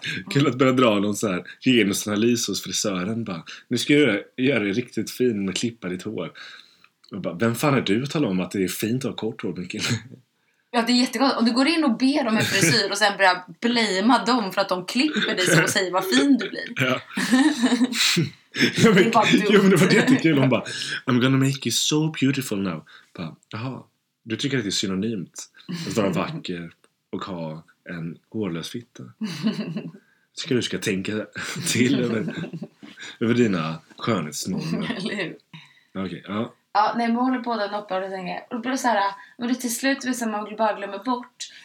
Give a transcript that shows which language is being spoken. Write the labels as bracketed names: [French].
[Swedish] Kul att börja dra någon så här genusanalys hos frisören. Bara, nu ska jag göra det riktigt fint med klippa ditt hår. Och bara, vem fan är du att tala om att det är fint att ha kort hår, Mikael? Ja, det är jättegott. Om du går in och ber dem en frisyr och sen börjar blama dem för att de klipper dig så och säger vad fin du blir. Ja. Det är bara, jo, men det var jättekul. Hon bara, [English] I'm gonna make you so beautiful now. [Swedish] Bara, jaha, du tycker att det är synonymt att vara vacker och ha en hårlös fitta. Tycker du ska tänka till över dina skönhetsnormer. Eller hur? Okej, ja. Ja, nej, men håller på den noppar och det tänker. Och då blir det så här, men det till slut visar man bara glömmer bort.